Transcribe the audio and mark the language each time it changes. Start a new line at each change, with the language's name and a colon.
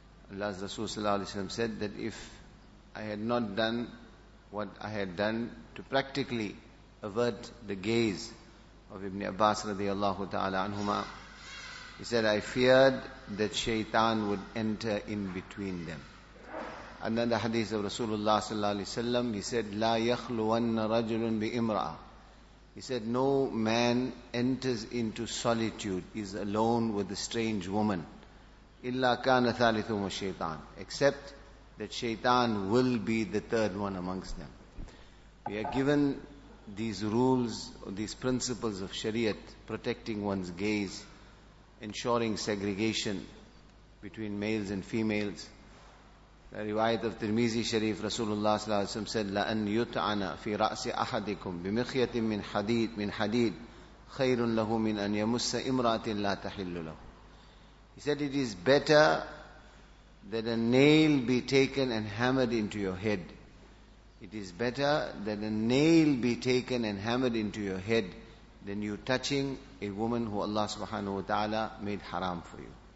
English: Allah's Rasul sallallahu alayhi wa sallam said that if I had not done what I had done to practically avert the gaze of Ibn Abbas radiallahu ta'ala anhuma, he said, I feared that shaitan would enter in between them. And then the hadith of Rasulullah sallallahu alaihi wasallam, he said,
Arabic: لا يخلون رجل بإمرأة.
English: He said, no man enters into solitude, is alone with a strange woman.
Arabic: إلا كان ثالثهما الشيطان.
English: Except that shaitan will be the third one amongst them. We are given these rules, or these principles of Shariat, protecting one's gaze, ensuring segregation between males and females. The riwayat of Tirmizi Sharif, Rasulullah sallallahu alaihi wasallam said,
Arabic: لَأَنْ يُتْعَنَ فِي رَأْسِ أَحَدِكُمْ بِمِخْيَةٍ مِّنْ حَدِيدٍ خَيْرٌ لَهُ مِنْ أَنْ يَمُسَّ إِمْرَأَةٍ لَا تَحِلُّ لَهُ.
English: He said, it is better that a nail be taken and hammered into your head. It is better that a nail be taken and hammered into your head than you touching a woman who Allah subhanahu wa ta'ala made haram for you.